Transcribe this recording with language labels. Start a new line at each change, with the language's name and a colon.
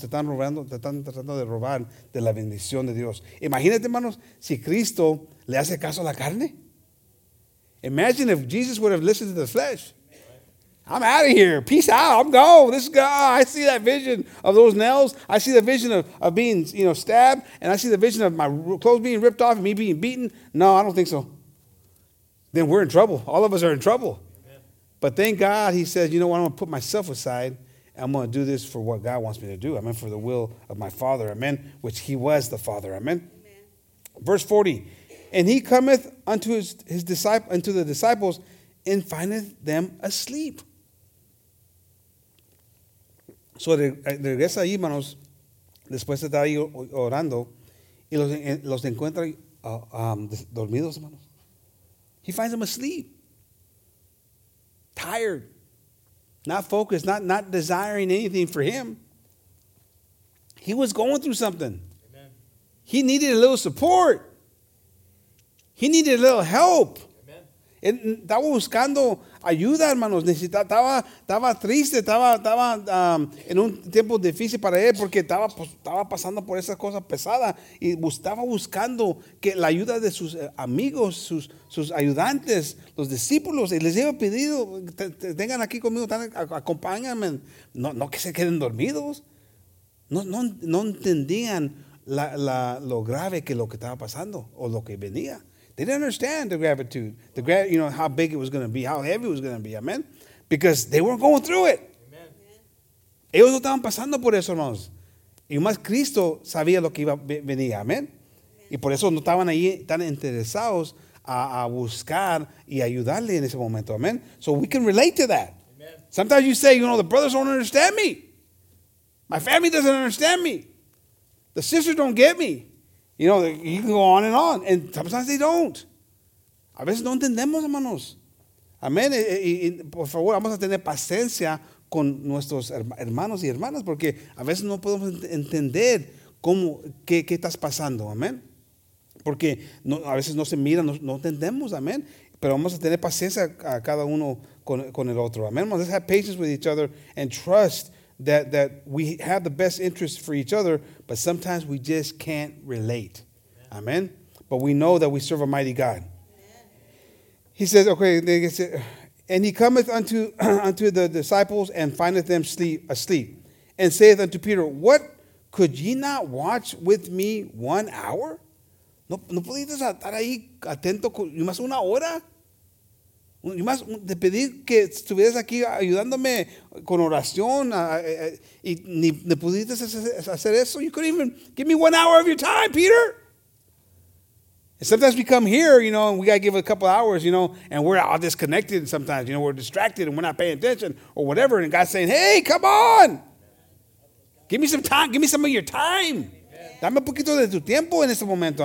Spanish: Te están robando, te están tratando de robar de la bendición de Dios. Imagínate, hermanos, si Cristo le hace caso a la carne.
English: Imagine if Jesus would have listened to the flesh. I'm out of here. Peace out. I'm gone. This guy, I see that vision of those nails. I see the vision of being, you know, stabbed. And I see the vision of my clothes being ripped off and me being beaten. No, I don't think so. Then we're in trouble. All of us are in trouble. But thank God he says, you know what? I'm going to put myself aside. I'm going to do this for what God wants me to do. Amen. For the will of my Father. Amen. Which he was the Father. Amen. Verse 40. And he cometh unto his disciples, unto the disciples, and findeth them asleep.
Spanish: So regresa ahí, hermanos, después de estar ahí orando, y los encuentra dormidos, hermanos.
English: He finds them asleep. Tired. Not focused. Not desiring anything for him. He was going through something. Amen. He needed a little support. He needed a little help. Amen.
Spanish: Estaba buscando ayuda, hermanos. Estaba triste. Estaba en un tiempo difícil para él porque estaba pasando por esas cosas pesadas. Y estaba buscando que la ayuda de sus amigos, sus ayudantes, los discípulos. Y les había pedido, tengan aquí conmigo, acompáñame. No que se queden dormidos. No entendían lo grave que lo que estaba pasando o lo que venía.
English: They didn't understand the gravitude, how big it was going to be, how heavy it was going to be, amen? Because they weren't going through it. Amen.
Spanish: Ellos no estaban pasando por eso, hermanos. Y más Cristo sabía lo que iba a venir, amen? Y por eso no estaban ahí tan interesados a buscar y ayudarle en ese momento.
English: Amen. So we can relate to that. Amen. Sometimes you say, you know, the brothers don't understand me. My family doesn't understand me. The sisters don't get me. You know, you can go on and on. And sometimes they don't.
Spanish: A veces no entendemos, hermanos. Amén. Y por favor, vamos a tener paciencia con nuestros hermanos y hermanas, porque a veces no podemos entender cómo, qué estás pasando. Amén. Porque no, a veces no se mira, no entendemos. Amén. Pero vamos a tener paciencia a cada uno con el otro. Amén.
English: Let's have patience with each other and trust that we have the best interest for each other, but sometimes we just can't relate. Amén. But we know that we serve a mighty God. He says, okay, and he cometh unto the disciples and findeth them asleep, and saith unto Peter, what, could ye not watch with me 1 hour?
Spanish: No pudiste estar ahí atento, ¿y más una hora? ¿Y más de pedir que estuvieras aquí ayudándome con oración, y ni pudiste hacer eso?
English: You couldn't even give me 1 hour of your time, Peter. Sometimes we come here, you know, and we got to give a couple of hours, you know, and we're all disconnected sometimes, you know, we're distracted and we're not paying attention or whatever. And God's saying, hey, come on. Give me some time. Give me some of your time.
Spanish: Dame un poquito de tu tiempo en este momento.